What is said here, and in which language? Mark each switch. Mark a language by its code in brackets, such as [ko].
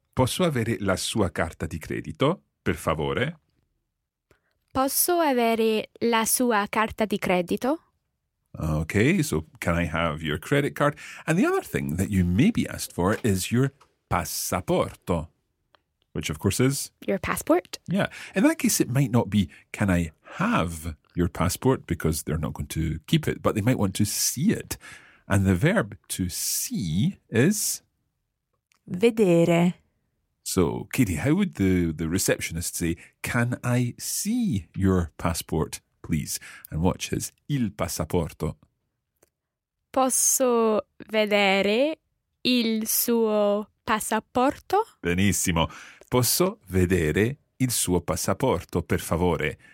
[it] Posso avere la sua carta di credito, per favore? Posso avere la sua carta di credito. [en] Okay, so can I have your credit card? And the other thing that you may be asked for is your passaporto, which of course is... Your passport. Yeah. In that case, it might not be can I have your passport, because they're not going to keep it, but they might want to see it. And the verb to see is... [it] Vedere. [en] So, Katie, how would the receptionist say, can I see your passport, please? And watch, is il passaporto. [it] Posso vedere il suo passaporto? Benissimo. Posso vedere il suo passaporto, per favore?